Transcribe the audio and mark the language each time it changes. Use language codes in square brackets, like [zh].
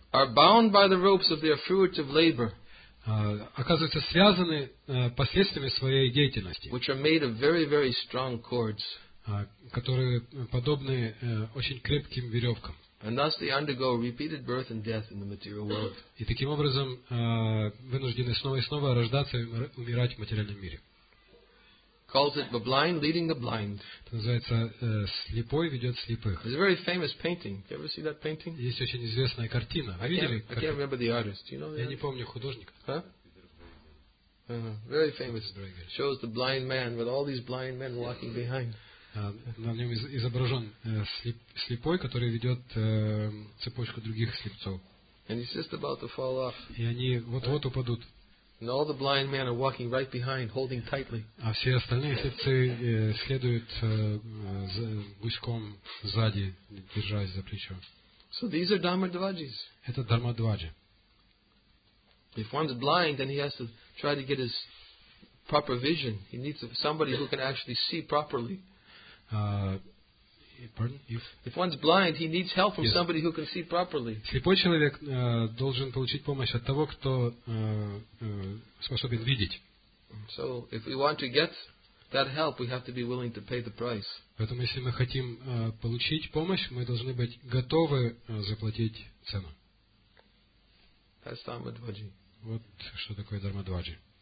[en] Are bound by the ropes of their fruitive labor, [ru] оказывается, связаны последствиями своей деятельности, [en] which are made of very, very strong cords, [ru] которые подобны очень крепким веревкам. [en] And thus they undergo repeated birth and death in the material world. [ru] И таким образом вынуждены снова и снова рождаться и умирать в материальном мире. [en] Calls it the blind leading the blind. [ru] Это называется слепой ведет слепых. [en] It's a very famous painting. You ever see that painting? [ru] Есть очень известная картина. Вы видели? [en] I can't remember the artist. You know the artist? [ru] Я не помню художника. [en] Huh? Very famous. Shows the blind man with all these blind men walking behind. [ru] На нем изображен слепой, который ведет цепочку других слепцов. [en] And he's just about to fall off. [ru] И они вот-вот упадут. [en] And all the blind men are walking right behind, holding tightly. [ru] А все остальные слепцы следуют гуськом сзади, держась за плечо. [en] So these are dharma dvajis. [ru] Это дхарма дваджи. [en] If one's blind, then he has to try to get his proper vision. He needs somebody who can actually see properly. If one's blind, he needs help from somebody who can see properly. [ru] Слепой человек должен получить помощь от того, кто способен видеть. [en] So, if we want to get that help, we have to be willing to pay the price. [ru] Поэтому, если мы хотим получить помощь, мы должны быть готовы заплатить цену. [en] That's dharma dvaji. [ru] Вот что такое дхарма дваджи.